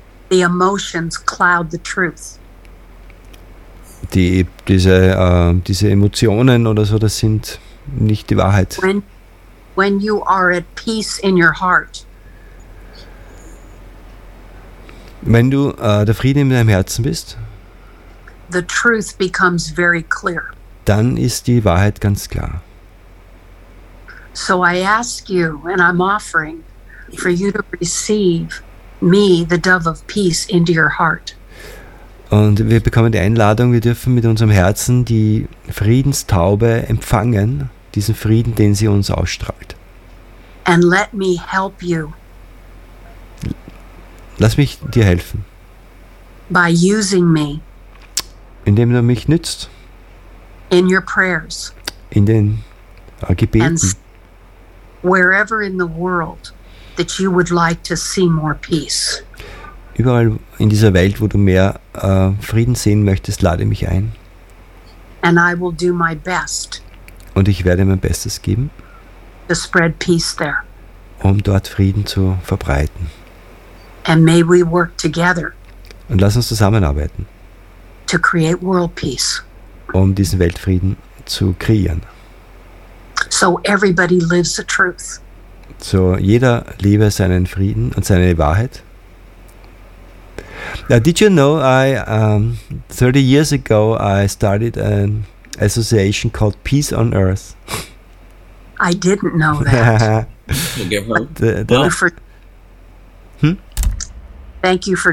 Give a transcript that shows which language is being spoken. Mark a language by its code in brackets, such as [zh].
[en] The emotions cloud the truth. [de] Diese Emotionen oder so, das sind nicht die Wahrheit. [en] When you are at peace in your heart, [de] wenn du der Frieden in deinem Herzen bist, [en] the truth becomes very clear. [de] Dann ist die Wahrheit ganz klar. [en] So I ask you, and I'm offering for you to receive me, the dove of peace, into your heart. [de] Und wir bekommen die Einladung, wir dürfen mit unserem Herzen die Friedenstaube empfangen, diesen Frieden, den sie uns ausstrahlt. [en] And let me help you. [de] Lass mich dir helfen. [en] By using me. [de] Indem du mich nützt. [en] In your prayers. [de] In den Gebeten. And [en] wherever in the world that you would like to see more peace. [de] Überall in dieser Welt, wo du mehr Frieden sehen möchtest, lade mich ein. [en] And I will do my best. [de] Und ich werde mein Bestes geben. [en] To spread peace there. [de] Um dort Frieden zu verbreiten. [en] And may we work together. [de] Und lass uns zusammenarbeiten. [en] To create world peace. [de] Um diesen Weltfrieden zu kreieren. [en] So everybody lives the truth. [de] So jeder lebe seinen Frieden und seine Wahrheit. [en] Now, did you know I 30 years ago I started an association called Peace on Earth? I didn't know that. Thank you for